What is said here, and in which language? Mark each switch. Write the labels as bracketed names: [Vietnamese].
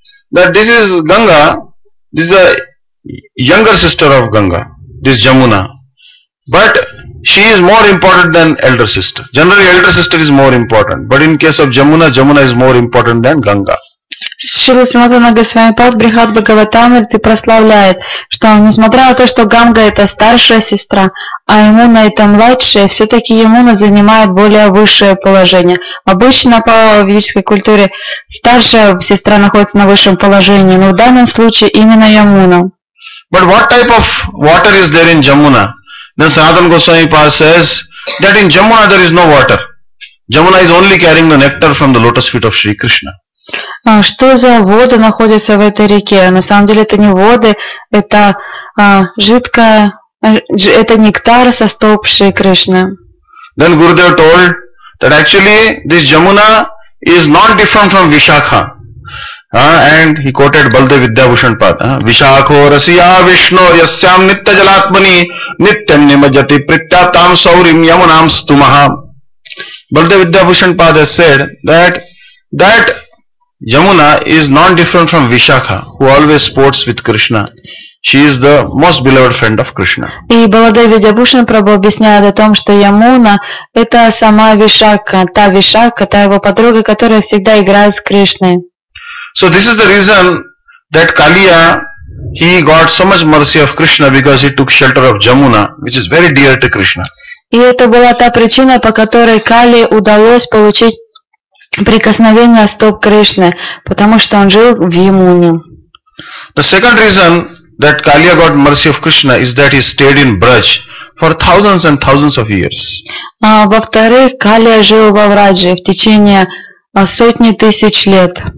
[English] That this is Ganga, this is the younger sister of Ganga, this Jamuna, but she is more important than elder sister. Generally elder sister is more important, but in case of Jamuna, Jamuna is more important than Ganga. [Russian] Шрила Сриматана Госвамипад Брихат Бхагаватамрит и прославляет, что несмотря на то, что Ганга это старшая сестра, а Ямуна это младшая, все-таки Ямуна занимает более высшее положение. Обычно по ведической культуре старшая сестра находится на высшем положении, но в данном случае именно Ямуна. [English] But what type of water is there in Jamuna? Then Sanatana Goswamipad says that in Jamuna there is no water. Jamuna is only carrying the nectar from the lotus feet of Sri Krishna. [Russian] Что за воды находятся в этой реке? На самом деле это не воды, это это нектар со стоп Шри Кришны. [English] Then Gurudev told that actually this Jamuna is not different from Vishakha. And he quoted Baldev Vidyabhushan Pad. [Sanskrit] Vishakho rasiya Vishno yasyam nitya jalatmani nityam nimajati prityatam saurim yamunam stumaha. [English] Baldev Vidyabhushan Pad has said that Yamuna is not different from Vishakha, who always sports with Krishna. She is the most beloved friend of Krishna. [Russian] И Баладев Видьябхушан Прабху объясняет о том, что Ямуна – это сама Вишакха, та его подруга, которая всегда играет с Кришной. [English] So this is the reason that Kaliya, he got so much mercy of Krishna because he took shelter of Yamuna, which is very dear to Krishna. [Russian] И это была та причина, по которой Кали удалось получить прикосновение стоп Кришны, потому что он жил в Ямуне. [English] The second reason that Kaliya got mercy of Krishna is that he stayed in Braj for thousands and thousands of years. [Russian] Во-вторых, Калия жил во Врадже в течение сотни тысяч лет.